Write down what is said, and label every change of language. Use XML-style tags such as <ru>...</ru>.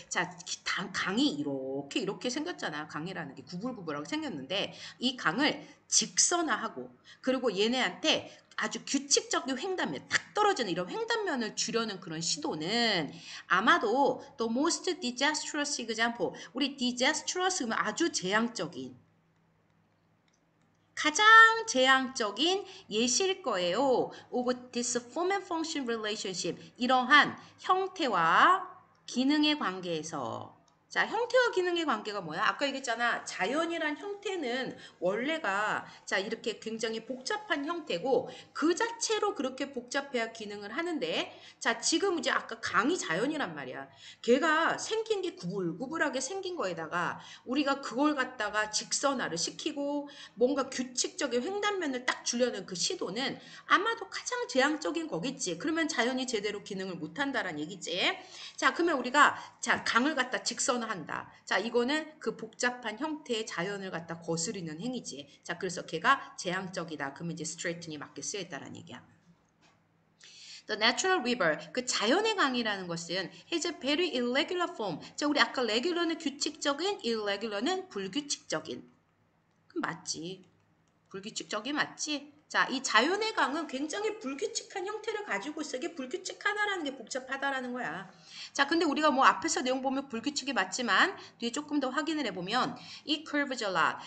<ko>자, 강이 이렇게, 이렇게 생겼잖아. 강이라는 게 구불구불하고 생겼는데, 이 강을 직선화하고, 그리고 얘네한테 아주 규칙적인 횡단면, 탁 떨어지는 이런 횡단면을 주려는 그런 시도는 아마도</ko> <en>the most disastrous example.</en> <ko>우리 disastrous 그러면 아주 재앙적인, 가장 재앙적인 예시일 거예요.</ko> <en>Of this form and function relationship.</en> <ko>이러한 형태와 기능의 관계에서. 자, 형태와 기능의 관계가 뭐야? 아까 얘기했잖아. 자연이란 형태는 원래가, 자, 이렇게 굉장히 복잡한 형태고, 그 자체로 그렇게 복잡해야 기능을 하는데, 자, 지금 이제 아까 강이 자연이란 말이야. 걔가 생긴 게 구불구불하게 생긴 거에다가, 우리가 그걸 갖다가 직선화를 시키고, 뭔가 규칙적인 횡단면을 딱 주려는 그 시도는 아마도 가장 재앙적인 거겠지. 그러면 자연이 제대로 기능을 못 한다란 얘기지. 자, 그러면 우리가, 자, 강을 갖다 직선화 한다. 자, 이거는 그 복잡한 형태의 자연을 갖다 거스르는 행위지. 자, 그래서 걔가 재앙적이다. 그러면 이제 straighten이 맞게 쓰였다라는 얘기야.</ko> <en>The natural river,</en> <ko>그 자연의 강이라는 것은</ko> <en>has a very irregular form.</en> <ko>자, 우리 아까 regular는 규칙적인, irregular는 불규칙적인. 맞지? 불규칙적이 맞지? 자, 이 자연의 강은 굉장히 불규칙한 형태를 가지고 있어. 이게 불규칙 하나라는 게 복잡하다라는 거야. 자, 근데 우리가 뭐 앞에서 내용 보면 불규칙이 맞지만 뒤에 조금 더 확인을 해보면 이</ko> <en>curves a lot.</en>